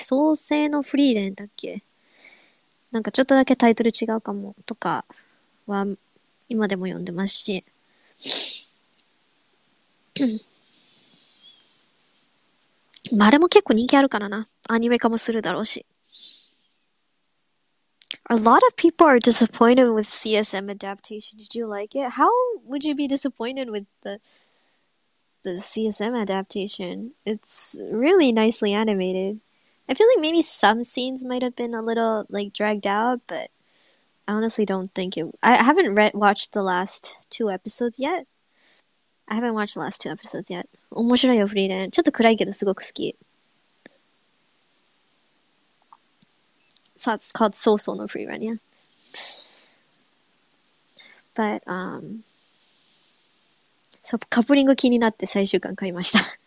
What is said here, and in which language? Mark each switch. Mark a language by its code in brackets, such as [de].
[ja] 創世のフリーレンだっけ？なんかちょっとだけタイトル違うかもとかは今でも読んでますし。まあ、あれも結構人気あるからな。アニメ化もするだろうし。 [en] A lot of people are disappointed with CSM adaptation. Did you like it? How would you be disappointed with the CSM adaptation? It's really nicely animated. I feel like maybe some scenes might have been a little like dragged out, but I honestly don't think it. I haven't read watched the last two episodes yet. I haven't watched the last two episodes yet. [ja] 面白いよ、フリーレン。ちょっと暗いけどすごく好き。 [en] So it's called Soso no Frieren, yeah. [ja] But, そう、カップリング気になって最終巻買いました。